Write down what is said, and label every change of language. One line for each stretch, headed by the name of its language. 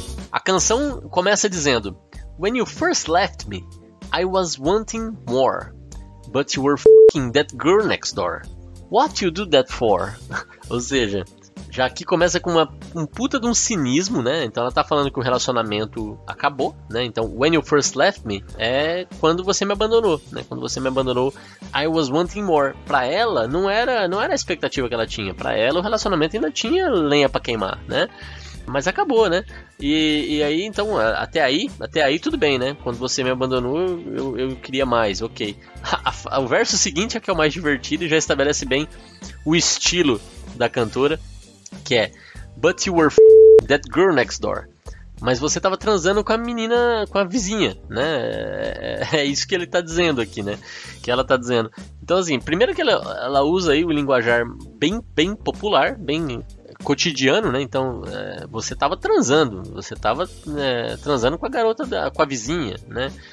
Portuguese: A canção começa dizendo:
English: When you first left me, I was wanting more, but you were fucking that girl next door. What you do that for?
Portuguese: Ou seja, já aqui começa com um puta de um cinismo, né? Então ela tá falando que o relacionamento acabou, né? Então,
English: when you first left me,
Portuguese: é quando você me abandonou, né? Quando você me abandonou,
English: I was wanting more.
Portuguese: Pra ela, não era a expectativa que ela tinha. Pra ela, o relacionamento ainda tinha lenha pra queimar, né? Mas acabou, né? E aí, então, até aí tudo bem, né? Quando você me abandonou, eu queria mais, ok. O verso seguinte é que é o mais divertido e já estabelece bem o estilo da cantora. Que é:
English: But you were f***ing that girl next door.
Portuguese: Mas você tava transando com a menina, com a vizinha, né? É isso que ele tá dizendo aqui, né? Que ela tá dizendo. Então, assim, primeiro que ela usa aí o linguajar bem popular, bem cotidiano, né? Então, você tava transando. Você tava transando com a garota, com a vizinha, né?